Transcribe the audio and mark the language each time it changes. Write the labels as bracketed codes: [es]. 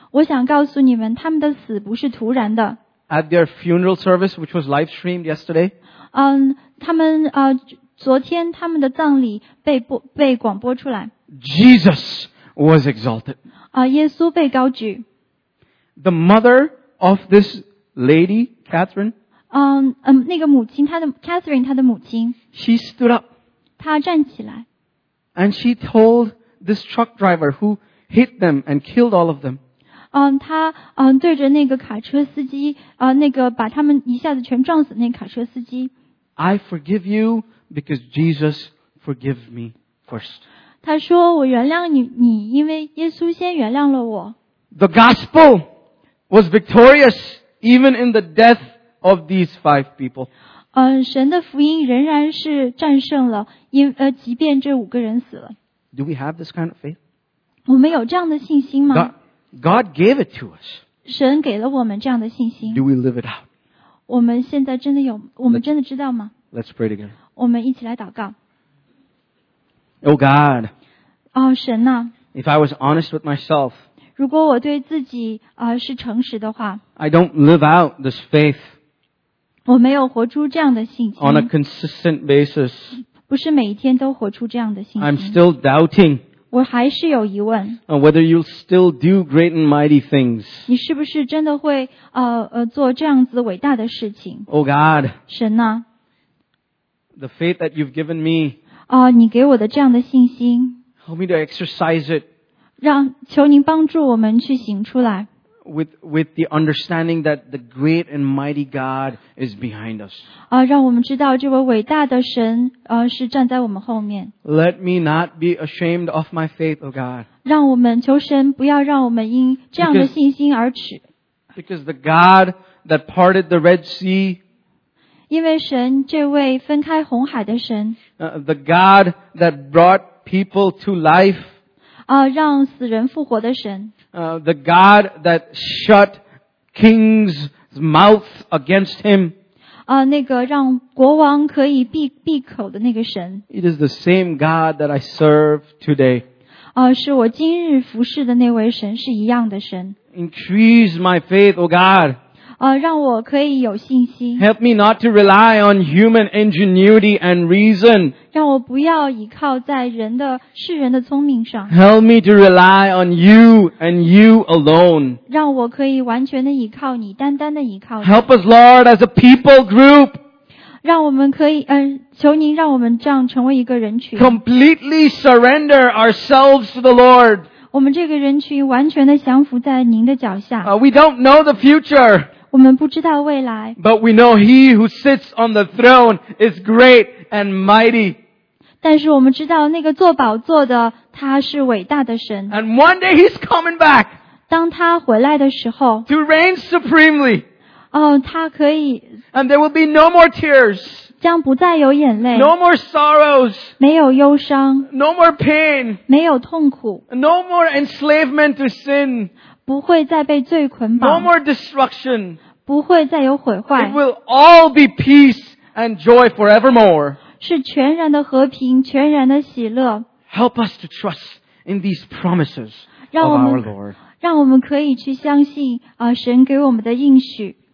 [zh] 我想告诉你们他们的死不是徒然的 [en] At their funeral service, which was live streamed yesterday. [zh] 他们昨天他们的葬礼被广播出来。 [en] Jesus was exalted. [zh] 耶稣被高举。 [en] The mother of this lady, Catherine. [zh] 那个母亲，她的 Catherine， 她的母亲。 [en] She stood up. [zh] 她站起来。 [en] And she told this truck driver who hit them and killed all of them. [zh] 他对着那个卡车司机那个把他们一下子全撞死那卡车司机。 [en] I forgive you because Jesus forgave me first. [zh] 他说我原谅你，你因为耶稣先原谅了我。 [en] The gospel was victorious even in the death of these five people. [zh] 神的福音仍然是战胜了，因即便这五个人死了。 [en] Do we have this kind of faith? [zh] 我们有这样的信心吗？ [en] God gave it to us. [zh] 神给了我们这样的信心。 [en] Do we live it out? [zh] 我们现在真的有，我们真的知道吗？ [en] Let's pray together. [zh] 我们一起来祷告。 [en] Oh God. [zh] 哦，神呐。 [en] If I was honest with myself. [zh] 如果我对自己是诚实的话。 [en] I don't live out this faith. [zh] 我没有活出这样的信心。 [en] On a consistent basis. [zh] 不是每一天都活出这样的信心。 [en] I'm still doubting. [zh] 我还是有疑问。 [en] Whether you'll still do great and mighty things. [zh] 你是不是真的会做这样子伟大的事情 [en] ？Oh God. [zh] 神呢 [en] ？The faith that you've given me. [zh] 你给我的这样的信心。 [en] Help me to exercise it. [zh] 让求您帮助我们去行出来。 [en] With the understanding that the great and mighty God is behind us. [zh] 让我们知道这位伟大的神是站在我们后面。 [en] Let me not be ashamed of my faith, O God. [zh] 让我们求神不要让我们因这样的信心而耻。 [en] Because the God that parted the Red Sea. [zh] 因为神这位分开红海的神。 [en] The God that brought people to life. [zh] 让死人复活的神。 [en] The God that shut kings' mouths against him. [zh] 那个让国王可以闭口的那个神。 [en] It is the same God that I serve today. [zh] 是我今日服侍的那位神是一样的神。 [en] Increase my faith, O God. [zh] 让我可以有信心。 [en] Help me not to rely on human ingenuity and reason. [zh] 让我不要依靠在人的世人的聪明上。 [en] Help me to rely on you and you alone. [zh] 让我可以完全的依靠你，单单的依靠你。 [en] Help us, Lord, as a people group. [zh] 让我们可以，求您让我们这样成为一个人群。 [en] Completely surrender ourselves to the Lord. [zh] 我们这个人群完全的降服在您的脚下。 [en] We don't know the future. [zh] 我们不知道未来。 [en] But we know he who sits on the throne is great and mighty. [zh] 但是我们知道那个坐宝座的他是伟大的神。 [en] And one day he's coming back. [zh] 当他回来的时候。 [en] To reign supremely. [zh] 他可以。 [en] And there will be no more tears. [zh] 将不再有眼泪。 [en] No more sorrows. [zh] 没有忧伤。 [en] No more pain. [zh] 没有痛苦。 [en] No more enslavement to sin. [zh] 不会再被罪捆绑。 [en] No more destruction. [zh] 不会再有毁坏。 [en] It will all be peace and joy forevermore. [zh] 是全然的和平，全然的喜乐。 [en] Help us to trust in these promises of our Lord. [zh] 让我们可以去相信神给我们的应许。